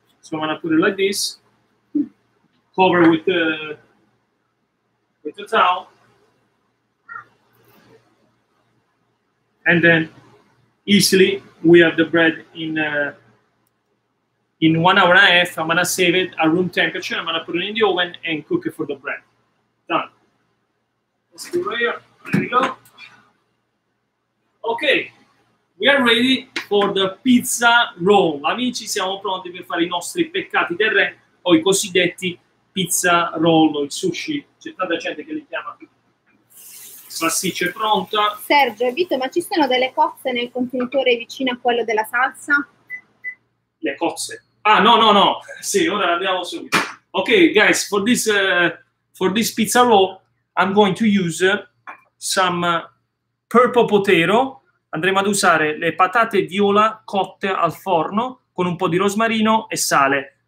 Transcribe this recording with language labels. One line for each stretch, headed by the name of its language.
English: So I'm gonna put it like this, cover with the towel, and then easily we have the bread in 1 hour and a half. I'm gonna save it at room temperature. I'm gonna put it in the oven and cook it for the bread. Done. Let's go right here. There we go. Okay, we are ready for the pizza roll.
Italian: Amici, siamo pronti per fare i nostri peccati terre o i cosiddetti pizza roll, il sushi. C'è tanta gente che li chiama. Salsiccia è pronta. Sergio e Vito, ma ci sono delle cozze nel contenitore vicino a quello della salsa? Le cozze? Ah, no, no, no. Sì, ora andiamo subito.
English: Ok, guys, for this pizza roll, I'm going to use some purple potato.
Italian: Andremo ad usare le patate viola cotte al forno con un po' di rosmarino e sale.